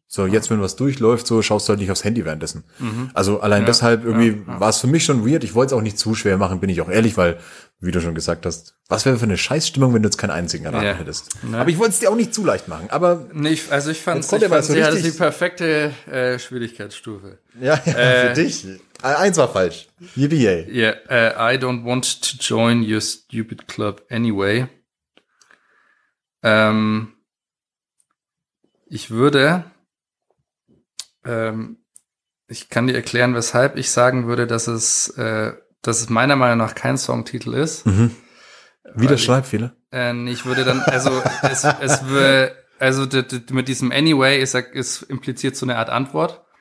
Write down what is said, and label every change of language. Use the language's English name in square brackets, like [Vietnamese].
[German] So, jetzt, wenn was durchläuft, so schaust du halt nicht aufs Handy währenddessen. Also allein deshalb irgendwie war es für mich schon weird. Ich wollte es auch nicht zu schwer machen, bin ich auch ehrlich, weil, wie du schon gesagt hast, was wäre für eine Scheißstimmung, wenn du jetzt keinen einzigen erraten hättest. Ne? Aber ich wollte es dir auch nicht zu leicht machen. Aber ich fand's die perfekte Schwierigkeitsstufe. Ja, für dich. Eins war falsch. Yippie. [English] Yeah, I don't want to join your stupid club anyway. [German] Ich würde, ich kann dir erklären, weshalb ich sagen würde, dass es meiner Meinung nach kein Songtitel ist. Mhm. Wie das Schreibfehler? Ich würde dann, also es würde, also mit diesem anyway ist impliziert so eine Art Antwort.